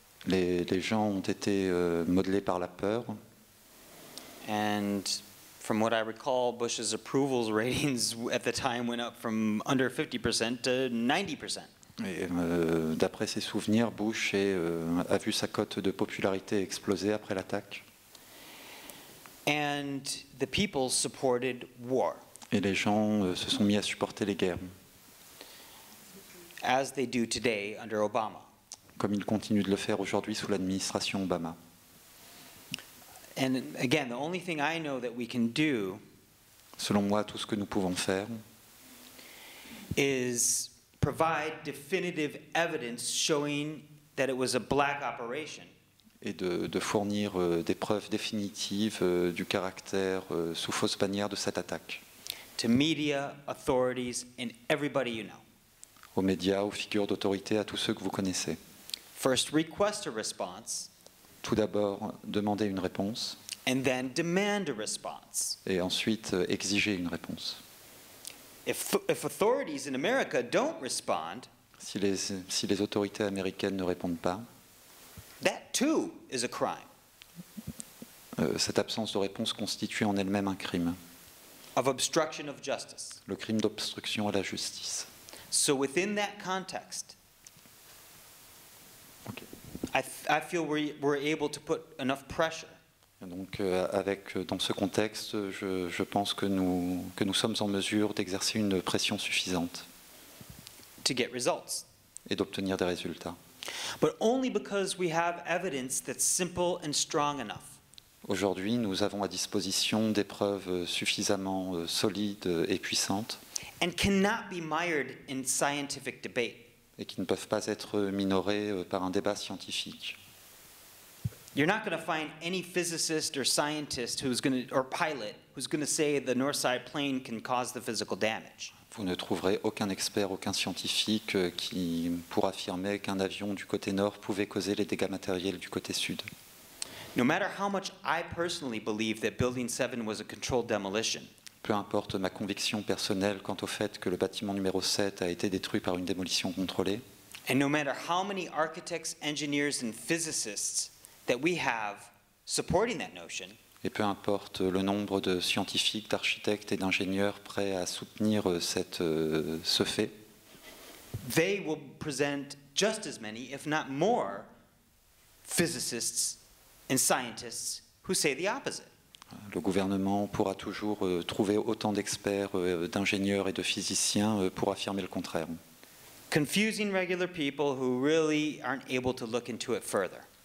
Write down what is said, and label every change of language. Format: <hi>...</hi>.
<fr>Les gens ont été modelés par la peur.</fr> <en>And from what I recall, Bush's approval ratings at the time went up from under 50% to 90%.</en> <fr>D'après ses souvenirs, Bush a vu sa cote de popularité exploser après l'attaque.</fr> <en>And the people supported war.</en> <fr>Et les gens se sont mis à supporter les guerres.</fr> <en>As they do today under Obama.</en> <fr>Comme ils continuent de le faire aujourd'hui sous l'administration Obama.</fr> <en>And again, the only thing I know that we can do,</en> <fr>selon moi, tout ce que nous pouvons faire,</fr> <en>is provide definitive evidence showing that it was a black operation.</en> <fr>Et de fournir des preuves définitives du caractère sous fausse bannière de cette attaque.</fr> <en>To media, authorities, and everybody you know.</en> <fr>Aux médias, aux figures d'autorité, à tous ceux que vous connaissez.</fr> <en>First, request a response.</en> <fr>Tout d'abord, demandez une réponse.</fr> <en>And then demand a response.</en> <fr>Et ensuite, exigez une réponse.</fr> <en>If authorities in America don't respond,</en> <fr>si les autorités américaines ne répondent pas,</fr> <en>that too is a crime.</en> <fr>Cette absence de réponse constitue en elle-même un crime.</fr> <en>Of obstruction of justice.</en> <fr>Le crime d'obstruction à la justice.</fr> <en>So within that context, I feel we're able to put enough pressure.</en> <fr>Donc, avec, dans ce contexte, je pense que nous sommes en mesure d'exercer une pression suffisante.</fr> <en>To get results.</en> <fr>Et d'obtenir des résultats.</fr> <en>But only because we have evidence that's simple and strong enough.</en> <fr>Aujourd'hui, nous avons à disposition des preuves suffisamment solides et puissantes.</fr> <en>And cannot be mired in scientific debate.</en> <fr>Et qui ne peuvent pas être minorées par un débat scientifique.</fr> <en>You're not going to find any physicist or scientist who's going to, or pilot who's going to say the Northside plane can cause the physical damage.</en> <fr>Vous ne trouverez aucun expert, aucun scientifique qui pourra affirmer qu'un avion du côté nord pouvait causer les dégâts matériels du côté sud.</fr> <en>No matter how much I personally believe that Building 7 was a controlled demolition.</en> <fr>Peu importe ma conviction personnelle quant au fait que le bâtiment numéro 7 a été détruit par une démolition contrôlée.</fr> <en>And no matter how many architects, engineers and physicists that we have supporting that notion.</en> <fr>Et peu importe le nombre de scientifiques, d'architectes et d'ingénieurs prêts à soutenir ce fait.</fr> <en>They will present just as many, if not more, physicists and scientists who say the opposite.</en> <fr>Le gouvernement pourra toujours trouver autant d'experts, d'ingénieurs et de physiciens pour affirmer le contraire.</fr> <en>Confusing regular people who really aren't able to look into it further.</en>